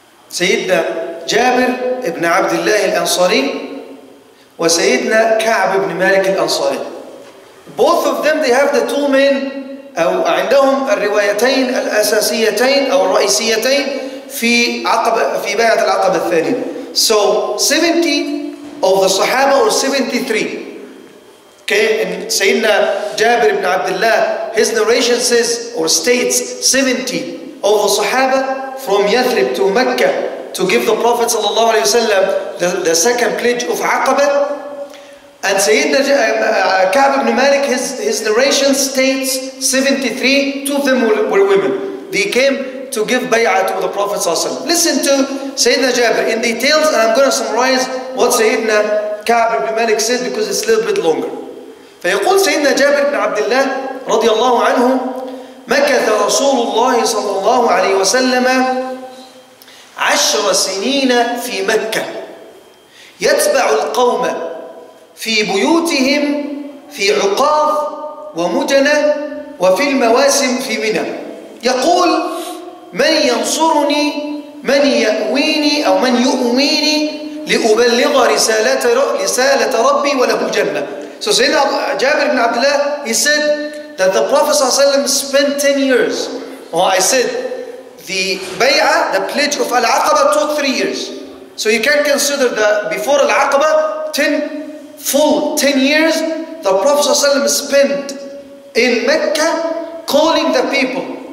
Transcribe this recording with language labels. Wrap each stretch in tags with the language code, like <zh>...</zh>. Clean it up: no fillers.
<ar>سيدنا جابر ابن عبد الله الأنصاري وسيدنا كعب ابن مالك الأنصاري.</ar> <en>Both of them they have the two main</en> <ar>أو عندهم الروايتين الأساسيتين أو الرئيسيتين في عقب في بيعة العقب الثاني.</ar> <en>So 70 of the Sahaba or 73. Okay, and Sayyidina Jabir ibn Abdullah, his narration says or states 70 of the Sahaba from Yathrib to Mecca to give the Prophet sallallahu alayhi wa sallam the second pledge of Aqaba. And Sayyidina Ka'b ibn Malik, his narration states 73, two of them were women. They came to give bay'ah to the Prophet sallallahu alayhi wa sallam. Listen to Sayyidina Jabir in details, and I'm going to summarize what Sayyidina Ka'b ibn Malik said because it's a little bit longer.</en> <ar>فيقول سيدنا جابر بن عبد الله رضي الله عنه مكث رسول الله صلى الله عليه وسلم 10 سنين في مكة يتبع القوم في بيوتهم في عقاظ ومجنة وفي المواسم في منى. يقول من ينصرني من يأويني أو من يؤويني لأبلغ رسالة ربي وله الجنة.</ar> <en>So Sayyidina Jabir ibn Abdullah, he said that the Prophet ﷺ spent 10 years. Well, I said, the bay'ah, the pledge of Al-Aqaba took 3 years. So you can consider that before Al-Aqaba, 10 full years, the Prophet ﷺ spent in Mecca calling the people.</en>